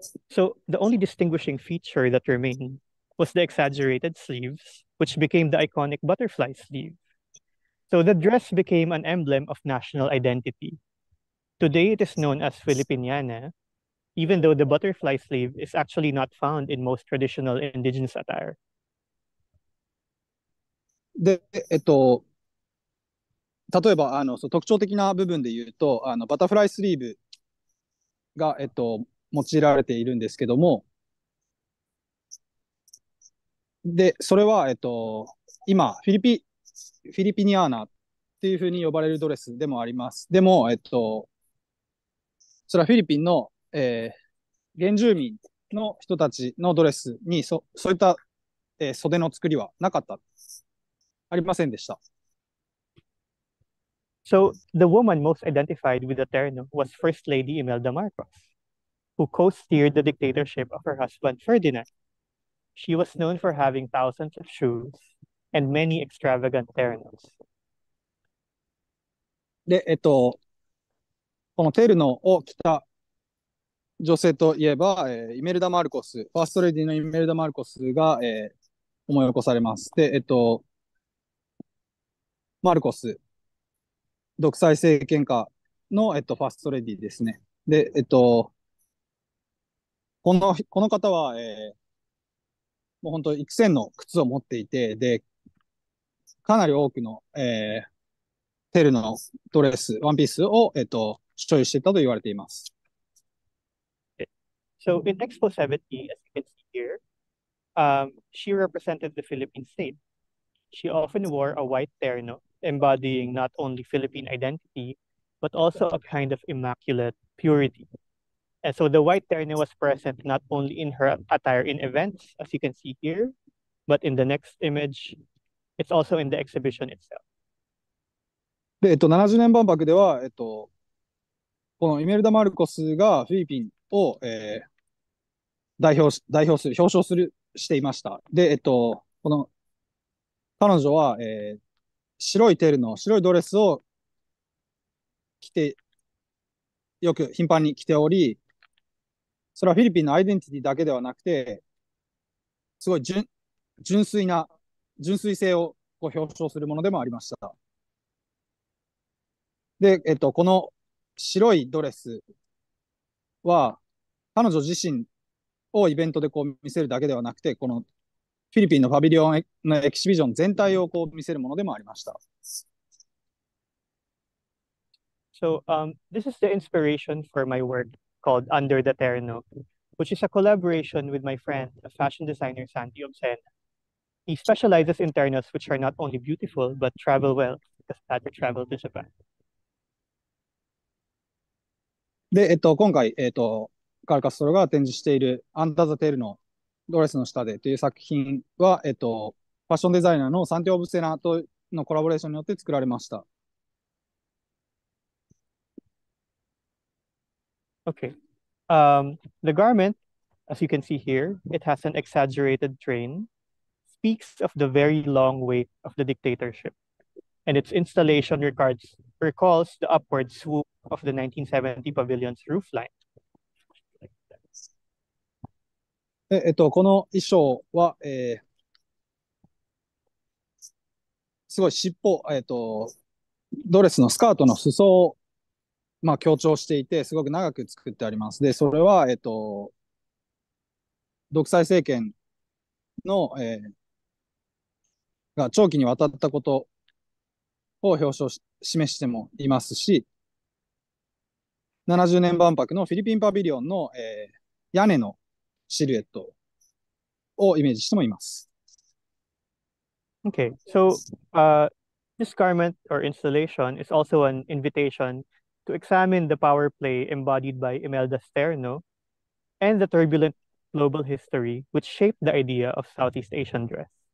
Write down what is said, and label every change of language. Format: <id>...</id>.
<en>So the only distinguishing feature that remained was the exaggerated sleeves, which became the iconic butterfly sleeve. So the dress became an emblem of national identity. Today it is known as Filipiniana, even though the butterfly sleeve is actually not found in most traditional indigenous attire.</en> <ja>で、例えば、その特徴的な部分で言うと、バタフライスリーブが、用いられているんですけども、で、それは、今、フィリピニアーナっていうふうに呼ばれるドレスでもあります。でも、それはフィリピンの、原住民の人たちのドレスに、そういった、袖の作りはなかった。</ja> <en>So, the woman most identified with the terno was First Lady Imelda Marcos, who co-steered the dictatorship of her husband Ferdinand. She was known for having thousands of shoes and many extravagant ternos.</en> <ja>で、このテルノを着た女性といえば、イメルダ・マルコス、ファーストレディのイメルダ・マルコスが、思い起こされます。で、マルコス、独裁政権下の、ファーストレディですね。で、この方は、もう本当、幾千の靴を持っていて、で、かなり多くの、テルのドレス、ワンピースを、所有していたと言われています。</ja> <en>So, in Expo 70, as you can see here, she represented the Philippine state. She often wore a white terno. Embodying not only Philippine identity, but also a kind of immaculate purity. And so the white terne was present not only in her attire in events, as you can see here, but in the next image, it's also in the exhibition itself.</en> <ja>で、70年万博では、このイメルダ・マルコスがフィリピンを、代表する、表彰する、していました。で、この、彼女は、白いテールの白いドレスを着て、よく頻繁に着ており、それはフィリピンのアイデンティティだけではなくて、すごい純粋性をこう表彰するものでもありました。で、この白いドレスは、彼女自身をイベントでこう見せるだけではなくて、このフィリピンのパビリオンのエキシビジョン全体をこう見せるものでもありました。</ja> <en>So, this is the inspiration for my work called Under the Terno, which is a collaboration with my friend, a fashion designer, Sandy Obsen. He specializes in ternos which are not only beautiful, but travel well, because I had to travel to Japan.</en> <ja>で、今回、カルカストロが展示しているアンダーザテールのドレスの下でという作品は、ファッションデザイナーのサンティオブセナとのコラボレーションによって作られました。</ja> <en>Okay. The garment, as you can see here, it has an exaggerated train, speaks of the very long weight of the dictatorship, and its installation recalls the upward swoop of the 1970 pavilion's roofline.</en> <ja>この衣装は、すごい尻尾、ドレスのスカートの裾を、まあ、強調していて、すごく長く作ってあります。で、それは、独裁政権の、が長期にわたったことを表彰し、示してもいますし、70年万博のフィリピンパビリオンの、屋根のシルエットをイメージしてもいます。</ja> <en>Okay, so, this garment or installation is also an invitation to examine the power play embodied by Imelda's terno and the turbulent global history which shaped the idea of Southeast Asian dress.</en>